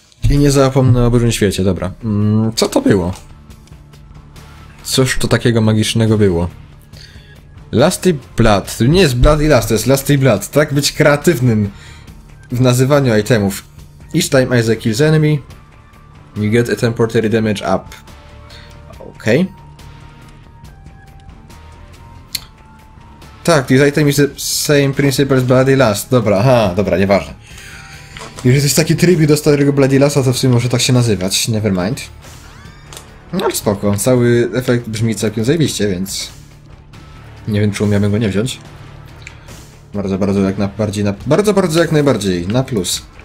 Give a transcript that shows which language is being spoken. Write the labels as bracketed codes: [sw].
[pl] I nie zapomnę o Bożym Świecie, dobra. Co to było? Cóż to takiego magicznego było? Lusty Blood. To nie jest Blood i Lust, to jest Lusty Blood. Tak być kreatywnym w nazywaniu itemów. [en] Each time Isaac kills enemy, you get a temporary damage up. Okej. Tak, this item is the same principle as Bloody Lust. [pl] Dobra, aha, dobra, nieważne. Jeżeli to jest taki tribut do starego Bloody Lusta, to w sumie może tak się nazywać. [en] Never mind. [pl] No ale spoko, cały efekt brzmi całkiem zajebiście, więc... nie wiem, czy umiałbym go nie wziąć. Bardzo, bardzo jak najbardziej, na plus.